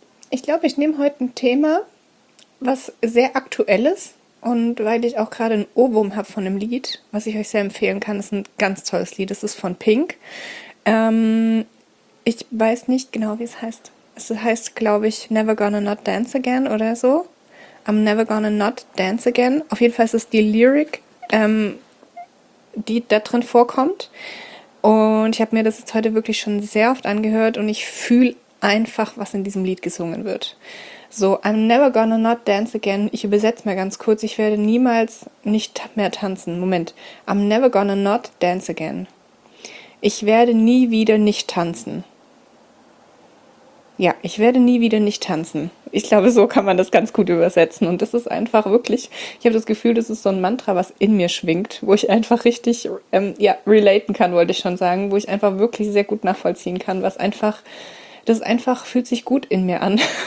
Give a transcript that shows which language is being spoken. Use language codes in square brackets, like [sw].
[de] Ich glaube, ich nehme heute ein Thema, was sehr aktuell ist und weil ich auch gerade ein Ohrwurm habe von einem Lied, was ich euch sehr empfehlen kann, ist ein ganz tolles Lied, es ist von Pink. Ich weiß nicht genau, wie es heißt. Es heißt, glaube ich, Never Gonna Not Dance Again oder so. [en] I'm never gonna not dance again. [de] Auf jeden Fall ist es die Lyric, die da drin vorkommt. Und ich habe mir das jetzt heute wirklich schon sehr oft angehört und ich fühle einfach, was in diesem Lied gesungen wird. [en] So, I'm never gonna not dance again. [de] Ich übersetze mal ganz kurz. Ich werde niemals nicht mehr tanzen. Moment. [en] I'm never gonna not dance again. [de] Ich werde nie wieder nicht tanzen. Ja, ich werde nie wieder nicht tanzen. Ich glaube, so kann man das ganz gut übersetzen. Und das ist einfach wirklich, ich habe das Gefühl, das ist so ein Mantra, was in mir schwingt, wo ich einfach richtig, relaten kann, wollte ich schon sagen, wo ich einfach wirklich sehr gut nachvollziehen kann, was einfach, das einfach fühlt sich gut in mir an.